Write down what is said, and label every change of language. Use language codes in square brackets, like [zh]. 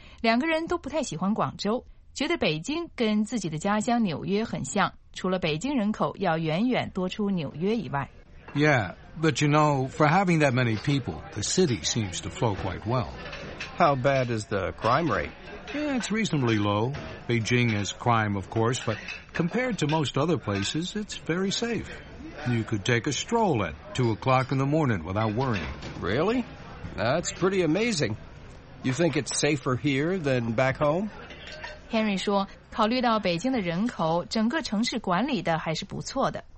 [zh] 两个人都不太喜欢广州。觉得北京跟自己的家乡纽约很像，除了北京人口要远远多出纽约以外。 [en] Yeah, but you know, for having that many people, the city seems to flow quite well. How bad is the crime rate? Yeah, it's reasonably low. Beijing has crime, of course, but compared to most other places, it's very safe. You could take a stroll at 2 o'clock in the morning without worrying. Really? That's pretty amazing. You think it's safer here than back home? [zh] Henry 说考虑到北京的人口整个城市管理的还是不错的